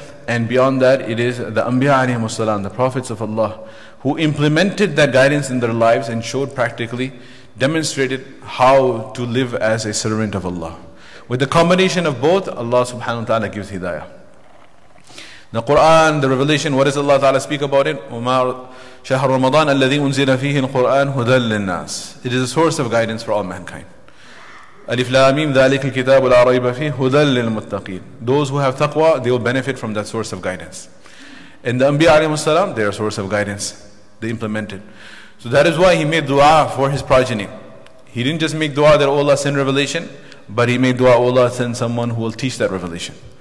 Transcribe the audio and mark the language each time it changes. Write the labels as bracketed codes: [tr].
[en] And beyond that, it is the Anbiya alayhim as-salam, the prophets of Allah, who implemented that guidance in their lives and showed practically demonstrated how to live as a servant of Allah. With the combination of both, Allah subhanahu wa ta'ala gives hidayah. The Quran, the revelation, what does Allah ta'ala speak about it? [ar] شهر رمضان الذي أنزل فيه القرآن هدى للناس. [en] It is a source of guidance for all mankind. [ar] ألف لام ميم ذلك الكتاب لا ريب فيه هدى للمتقين. [en] Those who have taqwa, they will benefit from that source of guidance. And the Anbiya alayhi salam, they are a source of guidance. They implemented. So that is why he made dua for his progeny. He didn't just make dua that Allah send revelation, but he made dua Allah send someone who will teach that revelation.